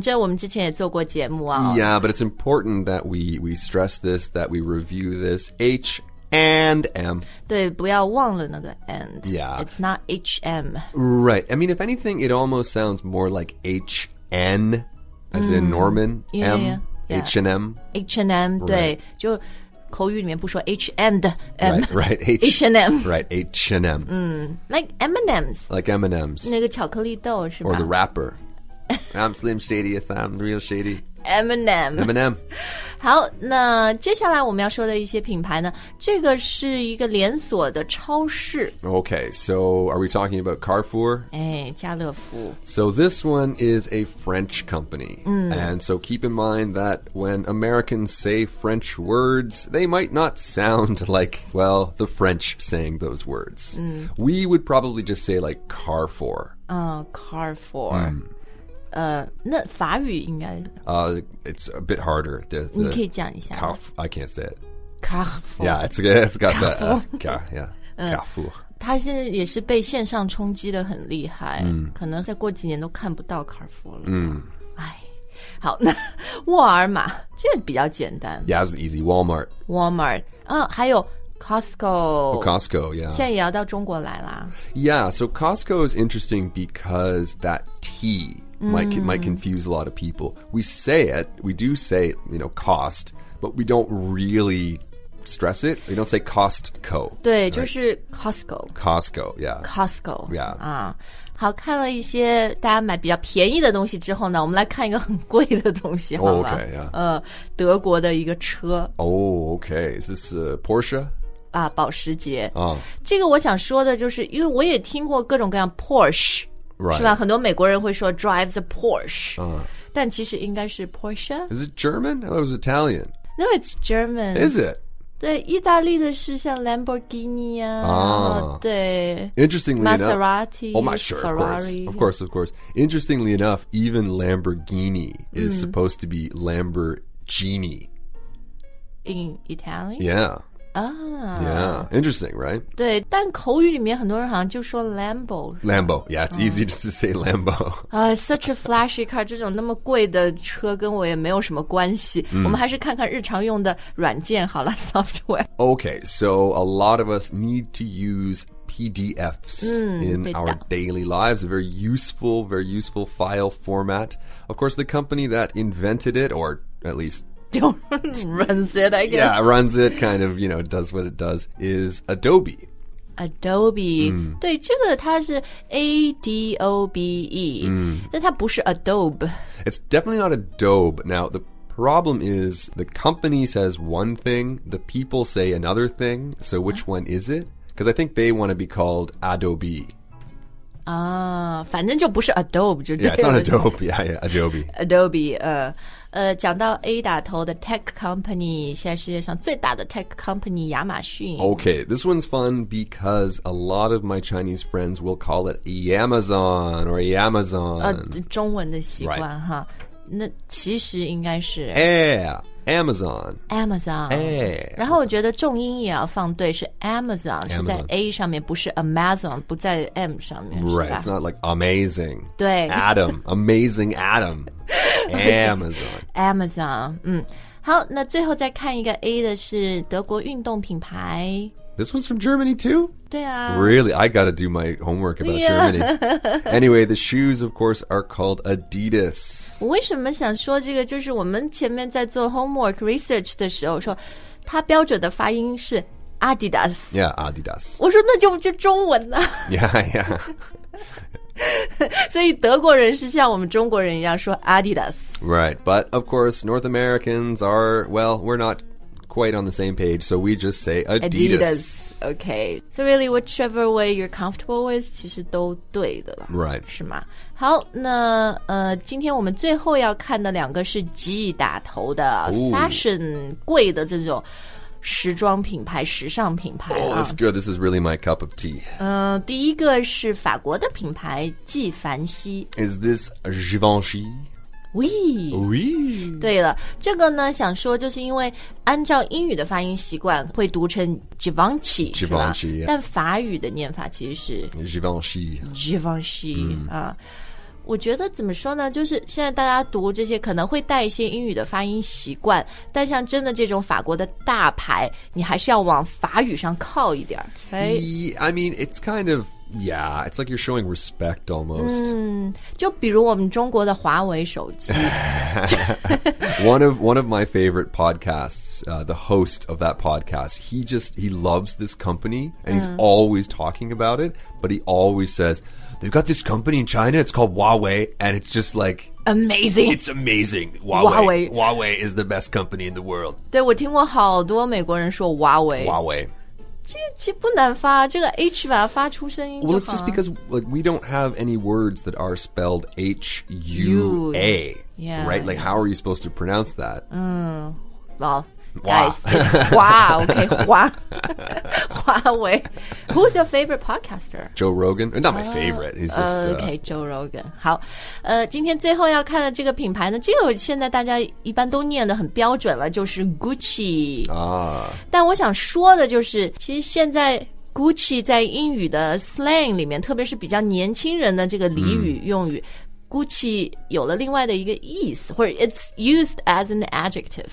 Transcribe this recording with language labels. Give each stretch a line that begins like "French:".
Chinese: 这我们之前也做过节目啊、哦。
English: Yeah, but it's important that we stress this, that we review this. H&M.
Chinese: 对不要忘了那个 and.
English: Yeah. It's not H&M. Right. I mean, if anything, it almost sounds more like H-N, as、in Norman. Yeah, M, yeah, yeah. H&M. H&M, 对、 right.
Chinese: 就口语里面不说 H&M.
English: Right, H&M. Right, H&M. Like M&M's. Like M&M's.
Chinese: 那个巧克力豆是吧
English: Or the rapper. I'm Slim Shady, yes, I'm real shady. M&M. M&M.
Chinese: 好那接下来我们要说的一些品牌呢这个是一个连锁的超市。
English: Okay, so are we talking about Carrefour?
Chinese: 哎家乐福。
English: So this one is a French company.、And so keep in mind that when Americans say French words, they might not sound like, well, the French saying those words.、We would probably just say like Carrefour.
Chinese: Carrefour.、那法语应该
English: It's a bit harder. The
Chinese: 你可以讲一下。
English: I can't say it. Carrefour. Yeah, it's got the Carrefour.
Chinese: 它现在也是被线上冲击的很厉害，可能再过几年都看不到 Carrefour 了。好，那沃尔玛这比较简单。
English: Yeah, it's easy. Walmart.
Chinese: Walmart. 还有。Costco.
English: Oh, Costco, yeah.
Chinese: 现在也要到中国来啦。
English: Yeah, so Costco is interesting because that T、might confuse a lot of people. We say it, we do say, you know, cost, but we don't really stress it. We don't say Costco.
Chinese: 对、right? 就是 Costco.
English: Costco, yeah. Costco. Yeah.、
Chinese: 好看了一些大家买比较便宜的东西之后呢我们来看一个很贵的东西好了。
English: Oh, okay, yeah.
Chinese: 德国的一个车。
English: Oh, okay. Is this Porsche?
Chinese: 啊保时捷、这个我想说的就是因为我也听过各种各样 Porsche、
English: right.
Chinese: 是吧很多美国人会说
English: drives a Porsche、
Chinese: 但其实应该是 Porsche
English: Is it German? I thought it was Italian No, it's German Is it?
Chinese: 对意大利的是像 Lamborghini 啊、对
English: Interestingly Maserati, enough Maserati Oh my sure, Ferrari, of course Interestingly enough even Lamborghini is、supposed to be Lamborghini In Italian? Yeah Oh. Yeah, interesting, right?
Chinese: 对但口语里面很多人好像就说 Lambo
English: Lambo, yeah, it's easy just to say Lambo Such a flashy car
Chinese: 这种那么贵的车跟我也没有什么关系、我们还是看看日常用的软件好了 software
English: Okay, so a lot of us need to use PDFs、in our daily lives A very useful file format Of course, the company that invented it or at least runs it, I guess. Yeah, runs it, kind of, you know, does what it does, is Adobe.
Chinese: Adobe.、对,这个它是 A-D-O-B-E,、但它不是 Adobe.
English: It's definitely not Adobe. Now, the problem is the company says one thing, the people say another thing, so which one is it? Because I think they want to be called Adobe.
Chinese: 反正就不是 Adobe, 就对了。
English: Yeah, it's not Adobe, yeah, Adobe.
Chinese: Adobe, 讲到 A 打头的 tech company, 现在世界上最大的 tech company, 亚马逊。
English: Okay, this one's fun because a lot of my Chinese friends will call it Amazon or Amazon.
Chinese: 中文的习惯、right. 哈。那其实应该是。
English: Yeah. Amazon. Amazon. Hey,
Chinese: 然后我觉得重音也要放对是 Amazon, 是在 A 上面不是 Amazon, 不在 M 上面。
English: Right, it's not like amazing.
Chinese: 对。
English: Adam, amazing Adam. Amazon.
Chinese: Amazon, 好那最后再看一个 A 的是德国运动品牌。
English: This one's from Germany too?
Chinese: 对啊。
English: Really, I gotta do my homework about、 yeah. Germany. Anyway, the shoes, of course, are called Adidas.
Chinese: 我为什么想说这个就是我们前面在做 homework research 的时候说它标准的发音是 Adidas.
English: Yeah, Adidas.
Chinese: 我说那就中文呢、
English: Yeah, yeah.
Chinese: 所以德国人是像我们中国人一样说 Adidas.
English: Right, but of course, North Americans are, well, we're not quite on the same page, so we just say Adidas. Adidas, okay. So really, whichever way you're comfortable with,
Chinese: 其实都对的了。
English: Right.
Chinese: 是吗？好，那今天我们最后要看的两个是 G 打头的 fashion 贵的这种时装品牌、时尚品牌。
English: Oh, that's good. This is really my cup of tea.
Chinese: 第一个是法国的品牌纪梵希。
English: Is this Givenchy?
French: Oui. Oui.
Chinese: 对了，这个呢，想说就是因为按照英语的发音习惯会读成 Givenchy,
English: Givenchy,
Chinese: 是吧？
English: Yeah.
Chinese: 但法语的念法其实是
English: Givenchy. Givenchy.、Mm.
Chinese: 我觉得怎么说呢，就是现在大家读这些可能会带一些英语的发音习惯，但像真的这种法国的大牌，你还是要往法语上靠一点、right?
English: I mean, it's kind of, yeah, it's like you're showing respect almost.
Chinese: 就比如我们中国的华为手机。
English: one of my favorite podcasts, the host of that podcast, he loves this company, and he's always talking about it, but he always says,They've got this company in China, it's called Huawei, and it's just like... Amazing. It's amazing. Huawei. Huawei is the best company in the world.
Chinese: 对，我听过好多美国人说 Huawei.
English: Huawei.
Chinese: 这其实不难发，这个 H 把它发出声音就好。
English: Well, it's just because like, we don't have any words that are spelled H-U-A. Yeah. Right? Like, how are you supposed to pronounce that? Well... Huawei. Who's your favorite podcaster? Joe Rogan. Not my favorite. He's just... Okay, Joe Rogan.
Chinese: 好，今天最后要看的这个品牌呢，这个现在大家一般都念得很标准了，就是 Gucci. 但我想说的就是，其实现在 Gucci 在英语的 slang 里面，特别是比较年轻人的这个俚语用语，Gucci 有了另外的一个意思，或者
English: it's used as an adjective.